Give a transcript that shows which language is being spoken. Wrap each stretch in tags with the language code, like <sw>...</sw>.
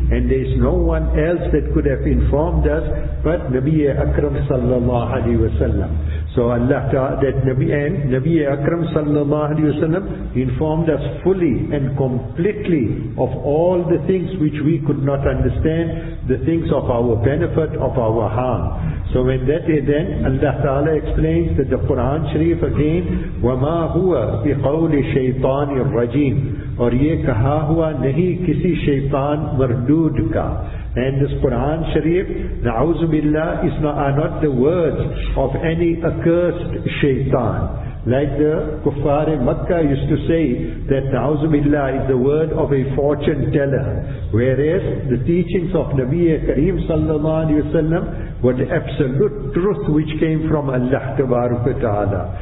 <en>And there is no one else that could have informed us but Nabiya Akram sallallahu alayhi wa sallam. So Allah Ta'ala, that Nabiya Akram sallallahu alayhi wa sallam informed us fully and completely of all the things which we could not understand, the things of our benefit, of our harm. So when that is then, Allah Ta'ala explains that the Quran Sharif again,</en> <ar>وَمَا هُوَ بِقَوْلِ شَيْطَانِ الرَّجِيمِ</ar> <ur>اور یہ کہا ہوا نہیں کسی شیطان مردود کا.</ur> <en>And this Quran Sharif, نعوذ باللہ, are not the words of any accursed shaitan. Like the Kuffar in Makkah used to say that na'uzu billah is the word of a fortune teller. Whereas the teachings of Nabiya Kareem sallallahu alayhi wa sallam were the absolute truth which came from Allah tabaraka ta'ala.</en>